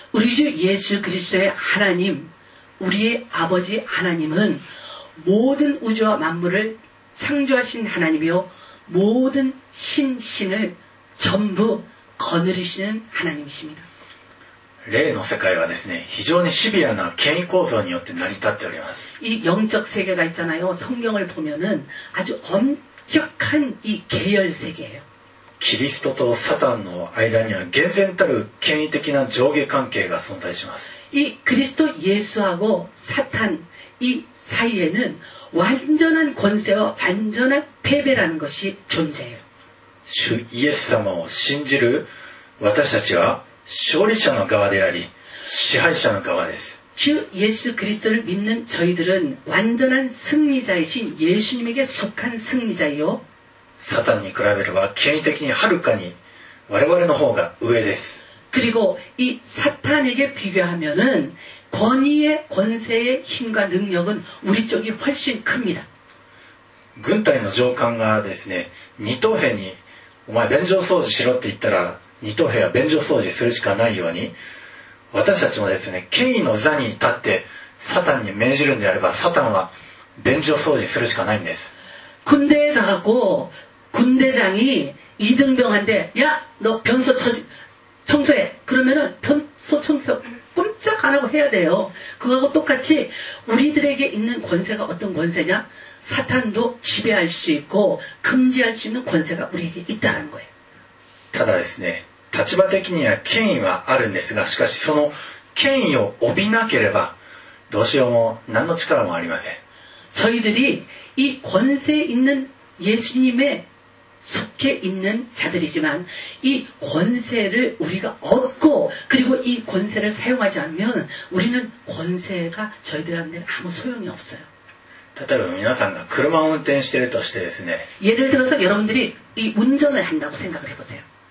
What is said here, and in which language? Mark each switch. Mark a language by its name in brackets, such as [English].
[Korean] 우리주예수그리스도의하나님우리의아버지하나님은모든우주와만물을창조하신하나님이요모든신신을전부거느리시는하나님이십니다 [Japanese] 霊の世界はですね非常にシビアな権威構造によって成り立っております [Korean] 이영적세계가있잖아요성경을보면은아주엄격한이계열세계예요 [Japanese] キリストとサタンの間には厳然たる権威的な上下関係が存在します [Korean] 이그리스도예수하고사탄이사이에는완전한권세와완전한패배라는것이존재해요 [Japanese] 주예수様を信じる私たちは勝利者の側であり支配者の側です [Korean] 주예수그리스도를믿는저희들은완전한승리자이신예수님에게속한승리자이요 [Japanese] 사탄に比べれば権威的にはるかに我々の方が上です [Korean] 그리고이사탄에게비교하면은권위의권세의힘과능력은우리쪽이훨씬큽니다 [Japanese] 軍隊の上官がですね二等兵にお前便所掃除しろって言ったら二等兵は便所掃除するしかないように私たちもですね権威の座に立ってサタンに命じるんであればサタンは便所掃除するしかないんです [Korean] 군대에가고군대장이이등병한테야너변소처지청소해그러면은변소청소 꼼짝 안 하고 해야 돼요. 그거하고 똑같이 우리들에게 있는 권세가 어떤 권세냐? 사탄도 지배할 수 있고 금지할 수 있는 권세가 우리에게 있다는 거예요. [Japanese] ただですね、立場的には権威はあるんですが、 しかし その権威を帯びなければ どうしようも何の力もありません。 [Korean] 저희들이 이 권세 있는 예수님의 속해 있는 자들이지만 이 권세를 우리가 얻고 그리고 이 권세를 사용하지 않으면 우리는 권세가 저희들한테 아무 소용이 없어요. [Japanese] 例えば皆さんが車を運転してるとしてですね [Korean] 예를 들어서 여러분들이 이 운전을 한다고 생각을 해보세요.